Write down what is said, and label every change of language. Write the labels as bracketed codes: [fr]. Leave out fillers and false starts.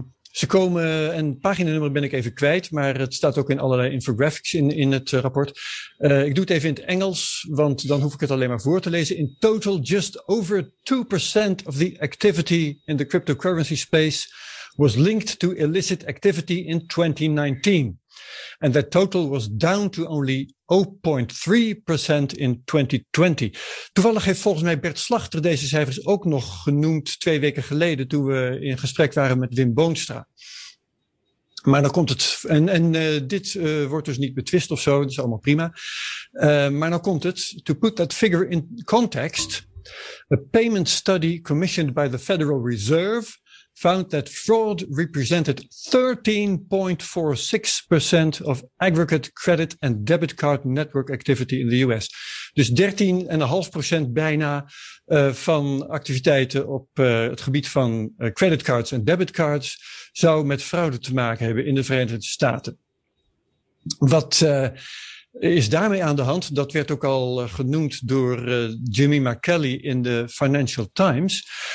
[nl] Ze komen, en paginanummer ben ik even kwijt, maar het staat ook in allerlei infographics in het rapport. Ik doe het even in het Engels, want dan hoef ik het alleen maar voor te lezen. [en] In total, just over 2% of the activity in the cryptocurrency space was linked to illicit activity in 2019. And that total was down to only 0.3% in 2020. [nl] Toevallig heeft volgens mij Bert Slachter deze cijfers ook nog genoemd 2 weken geleden toen we in gesprek waren met Wim Boonstra. Maar dan komt het, en dit wordt dus niet betwist of zo, dat is allemaal prima. Maar dan komt het, [en] to put that figure in context, a payment study commissioned by the Federal Reserve found that fraud represented 13.46% of aggregate credit and debit card network activity in the US. [nl] Dus 13,5% bijna van activiteiten op het gebied van creditcards en debitcards zou met fraude te maken hebben in de Verenigde Staten. Wat is daarmee aan de hand? Dat werd ook al genoemd door Jimmy McKelly in de Financial Times.